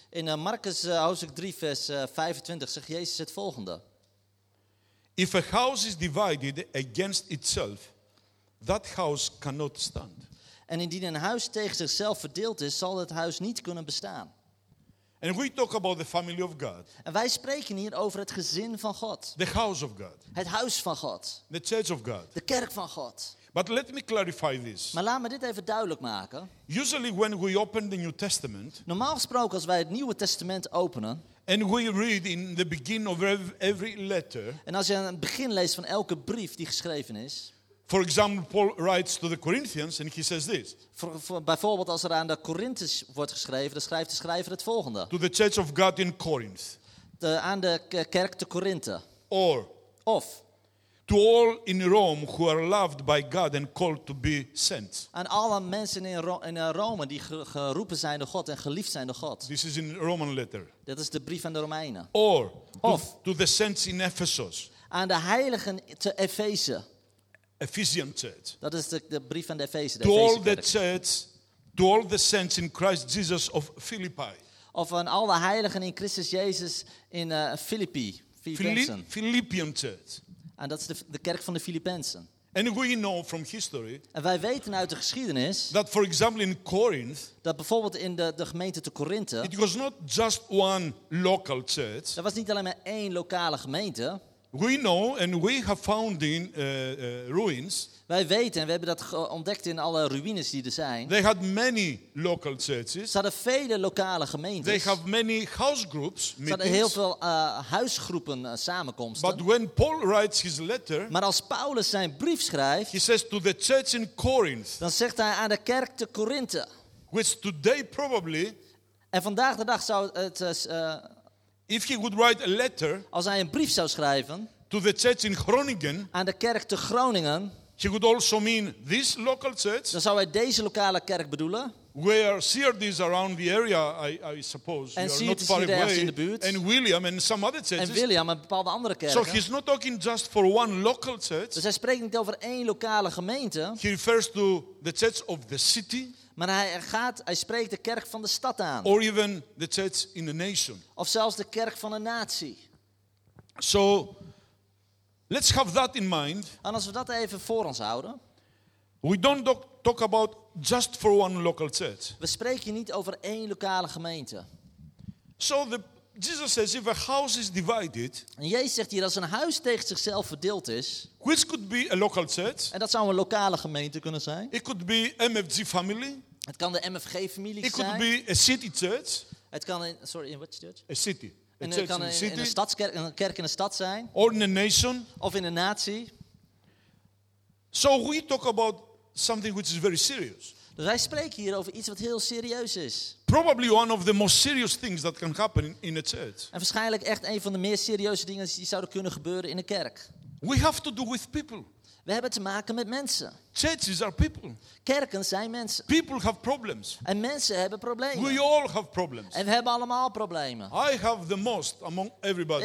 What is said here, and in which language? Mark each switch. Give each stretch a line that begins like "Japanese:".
Dutch: In Marcus hoofdstuk 3 vers 25 zegt Jezus het volgende.
English: If a house is divided against itself, that house cannot stand.
Dutch: En indien een huis tegen zichzelf verdeeld is, zal het huis niet kunnen bestaan.
English: And we talk about the family of God.
Dutch: En wij spreken hier over het gezin van God.
English: The house of God.
Dutch: Het huis van God.
English: The church of God.
Dutch: De kerk van God.
English: But let me clarify this.
Dutch: Maar laat me dit even duidelijk maken.
English: Usually when we open the New Testament.
Dutch: Normaal gesproken als wij het Nieuwe Testament openen.
English: And we read in the beginning of every letter.
Dutch: En als je aan het begin leest van elke brief die geschreven is.
English: For example, Paul writes to the Corinthians and he says this.
Dutch: Bijvoorbeeld als er aan de Corinthians wordt geschreven, dan schrijft de schrijver het volgende.
English: To the church of God in Corinth.
Dutch: Aan de kerk te Korinthe. Of.
English: To all in Rome who are loved by God and called to be sent.
Dutch: Aan alle mensen in Rome die geroepen zijn door God en geliefd zijn door God.
English: This is in Roman letter.
Dutch: Dat is de brief aan de Romeinen.
English: Or
Dutch: of
English: to the saints in Ephesus.
Dutch: Aan de heiligen te Efeze.
English: Ephesian church.
Dutch: Dat is de brief aan de Efeze.
English: To all the church, to all the saints in Christ Jesus of Philippi.
Dutch: Of aan alle heiligen in Christus Jezus in Filippi.
English: Philippian church.
Dutch: En dat is de kerk van de Filippenzen.
English: And we know from history,
Dutch: en wij weten uit de geschiedenis
English: that for example in Corinth,
Dutch: dat bijvoorbeeld in de gemeente te Korinthe,
English: it was not just one local church.
Dutch: Dat was niet alleen maar één lokale gemeente.
English: We know and we have found in ruins.
Dutch: Wij weten en we hebben dat ontdekt in alle ruïnes die er zijn.
English: They had many local churches.
Dutch: Ze hadden vele lokale gemeentes.
English: They have many house groups.
Dutch: Ze hadden heel veel huisgroepen samenkomsten.
English: But when Paul writes his letter,
Dutch: maar als Paulus zijn brief schrijft,
English: he says to the church in Corinth.
Dutch: Dan zegt hij aan de kerk te Korinthe.
English: Which today probably.
Dutch: En vandaag de dag zou het.
English: If he would write a letter,
Dutch: als hij een brief zou schrijven,
English: to the church in Groningen,
Dutch: aan de kerk te Groningen,
English: he would also mean this local church,
Dutch: dan zou hij deze lokale kerk bedoelen,
English: where Seard is around the area, I suppose,
Dutch: en Seard is hier ergens in de buurt,
English: and William and some other churches,
Dutch: en William en bepaalde andere kerken.
English: So he's not talking just for one local church.
Dutch: Dus hij spreekt niet over één lokale gemeente.
English: He refers to the church of the city.
Dutch: Maar hij spreekt de kerk van de stad aan.
English: Or even the church in the nation.
Dutch: Of zelfs de kerk van een natie.
English: So, let's have that in mind.
Dutch: En als we dat even voor ons houden.
English: We don't talk about just for one local church.
Dutch: We spreken niet over één lokale gemeente.
English: So Jesus says if a house is divided.
Dutch: En Jezus zegt hier als een huis tegen zichzelf verdeeld is.
English: Which could be a local church.
Dutch: En dat zou een lokale gemeente kunnen zijn.
English: It could be MFG family.
Dutch: Het kan de MFG familie zijn.
English: It could be a city church.
Dutch: Het kan in
English: what church? A city.
Dutch: En het kan in een stadskerk, een kerk in een stad zijn.
English: Or in a nation.
Dutch: Of in een natie.
English: So we talk about something which is very serious.
Dutch: Dus wij spreken hier over iets wat heel serieus is.
English: Probably one of the most serious things that can happen in a church.
Dutch: En waarschijnlijk echt een van de meer serieuze dingen die zouden kunnen gebeuren in een kerk.
English: We have to do with people.
Dutch: We hebben te maken met mensen.
English: Churches are people.
Dutch: Kerken zijn mensen.
English: People have problems.
Dutch: En mensen hebben problemen.
English: We all have problems.
Dutch: En we hebben allemaal problemen.
English: I have the most among everybody.